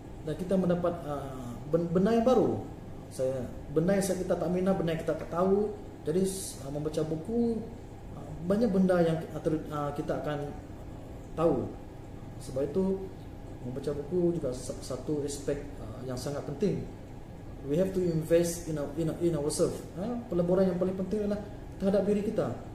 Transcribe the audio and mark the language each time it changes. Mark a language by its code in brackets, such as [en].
[ms] Dan kita mendapat benda yang baru. Benda yang kita tak minat, benda yang kita tak tahu. Jadi membaca buku, banyak benda yang kita akan tahu. Sebab itu membaca buku juga satu aspek yang sangat penting. [en] We have to invest in ourselves. [ms] Pelaburan yang paling penting adalah terhadap diri kita.